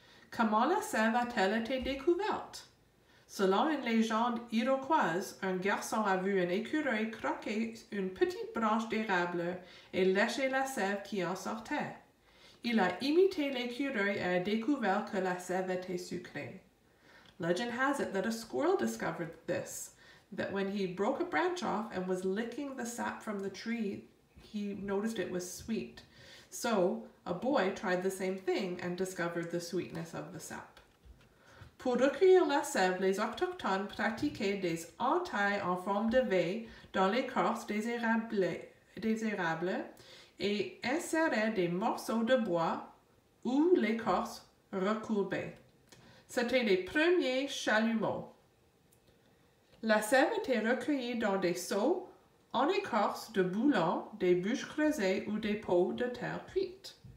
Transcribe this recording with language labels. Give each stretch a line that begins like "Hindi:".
French: Comment la sève a-t-elle été découverte? Selon une légende iroquoise, un garçon a vu un écureuil croquer une petite branche d'érable et lécher la sève qui en sortait. Il a imité l'écureuil et a découvert que la sève était sucrée.
English: Legend has it that a squirrel discovered this, that when he broke a branch off and was licking the sap from the tree, he noticed it was sweet. So, a boy tried the same thing and discovered the sweetness of the sap.
French: Pour recueillir la sève, les Autochtones pratiquaient des entailles en forme de V dans l'écorce des érables et inséraient des morceaux de bois ou l'écorce recourbée. C'était les premiers chalumeaux. La sève était recueillie dans des seaux en écorce de boulon, des bûches creusées ou des pots de terre cuite.